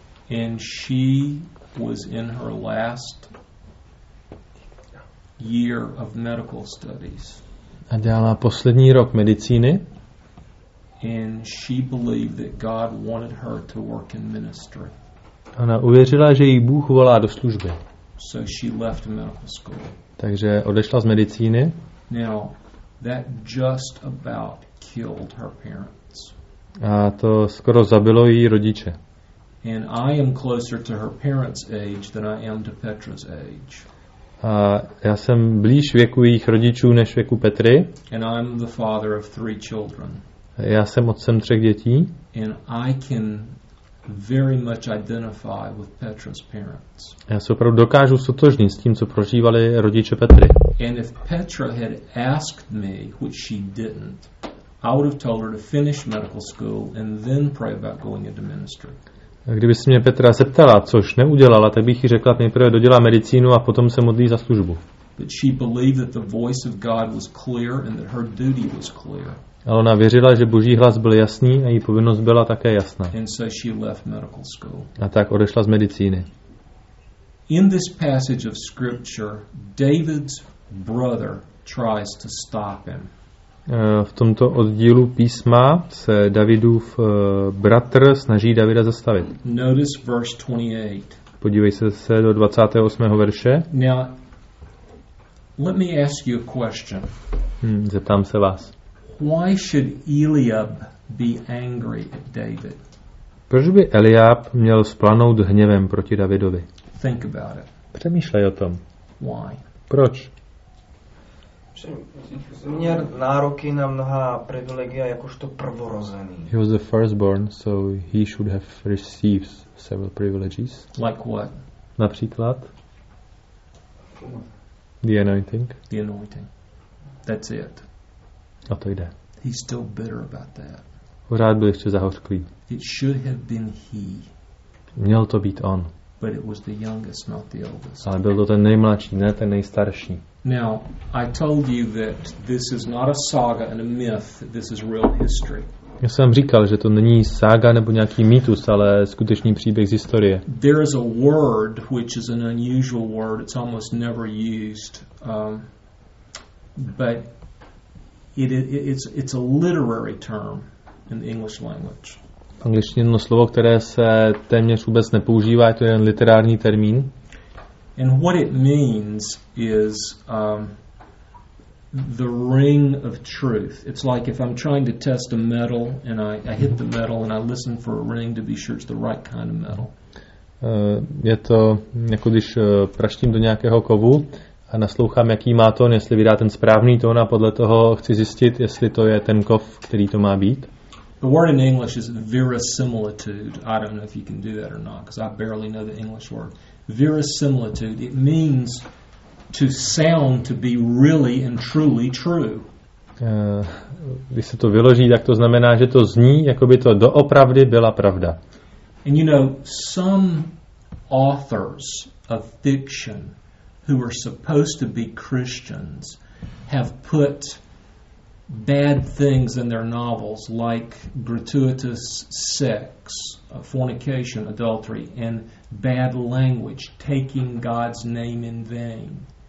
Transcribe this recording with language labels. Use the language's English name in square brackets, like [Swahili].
[English] And she was in her last year of medical studies. [Czech] A dělala poslední rok medicíny. [English] And she believed that God wanted her to work in ministry. [Czech] Ona uvěřila, že jí Bůh volá do služby. [English] So she left medical school. [Czech] Takže odešla z medicíny. [English] Now, that just about killed her parents. [Czech] A to skoro zabilo její rodiče. [English] And I am closer to her parents' age than I am to Petra's age. [Czech] A já jsem blíž věku jejich rodičů než věku Petry. [English] And I'm the father of three children. [Czech] Já jsem otcem třech dětí. [English] And I can very much identify with Petra's parents. [Czech] Já se opravdu dokážu sotožnit s tím, co prožívali rodiče Petry. [English] And if Petra had asked me, which she didn't, I would have told her to finish medical school and then pray about going into ministry. [Czech] Kdyby se mě Petra zeptala, což neudělala, tak bych jí řekla, nejprve dodělá medicínu a potom se modlí za službu. [English] But she believed that the voice of God was clear and that her duty was clear. [Czech] Ale ona věřila, že Boží hlas byl jasný a její povinnost byla také jasná. [English] And so she left medical school. [Czech] A tak odešla z medicíny. [English] In this passage of scripture, David's brother tries to stop him. [Czech] V tomto oddílu písma se Davidův bratr snaží Davida zastavit. [English] Notice verse 28. [Czech] Podívej se do 28. verše. [English] Now, let me ask you a question. [Czech] Zeptám se vás. [English] Why should Eliab be angry at David? [Czech] Proč by Eliab měl splanout hněvem proti Davidovi? [English] Think about it. [Czech] Přemýšlej o tom. [English] Why? [Czech] Proč? Měl nároky na mnohá privilegia jakožto prvorozený. [English] He was the firstborn, so he should have received several privileges. Like what? [Czech] Například? [English] The anointing. The anointing. That's it. [Czech] A to jde. [English] He's still bitter about that. [Czech] Pořád byl ještě zahořklý. [English] It should have been he. [Czech] Měl to být on. [English] But it was the youngest, not the oldest. [Czech] Ale byl to ten nejmladší, ne ten nejstarší. [English] Now, I told you that this is not a saga and a myth. This is real history. [Czech] Já jsem říkal, že to není sága nebo nějaký mýtus, ale skutečný příběh z historie. [English] There is a word which is an unusual word. It's almost never used. But it's a literary term in the English language. [Czech] V angličtině jedno slovo, které se téměř vůbec nepoužívá, je to jen literární termín. [English] And what it means is the ring of truth. It's like if I'm trying to test a metal and I hit the metal and I listen for a ring to be sure it's the right kind of metal. [Czech] Je to jako když praštím do nějakého kovu a naslouchám, jaký má tón, jestli vydá ten správný tón, a podle toho chci zjistit, jestli to je ten kov, který to má být. [English] The word in English is verisimilitude. I don't know if you can do that or not, because I barely know the English word. Verisimilitude, it means to sound to be really and truly true. [Czech] Když se to vyloží, tak to znamená, že to zní, jako by to doopravdy byla pravda. [English] And you know, some authors of fiction who are supposed to be Christians have put bad things in their novels, like gratuitous sex, fornication, adultery, and bad language, taking God's name in vain.